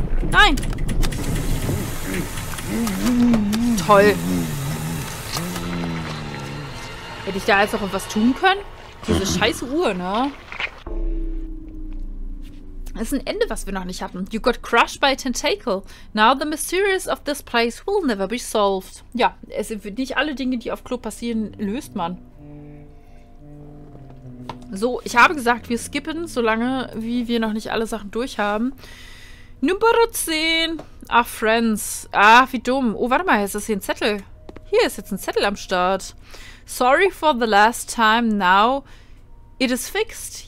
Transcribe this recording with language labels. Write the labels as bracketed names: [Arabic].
[German] Nein. Toll. Hätte ich da jetzt noch was tun können? Diese scheiß Uhr, ne? Das ist ein Ende, was wir noch nicht hatten. [English] You got crushed by a tentacle. Now the mysteries of this place will never be solved. [German] Ja, es sind nicht alle Dinge, die auf Klo passieren, löst man. So, ich habe gesagt, wir skippen, solange wie wir noch nicht alle Sachen durch haben. Nummer 10. Ach, Friends. Ach, wie dumm. Oh, warte mal, ist das hier ein Zettel? Hier ist jetzt ein Zettel am Start. [English] Sorry for the last time, now it is fixed.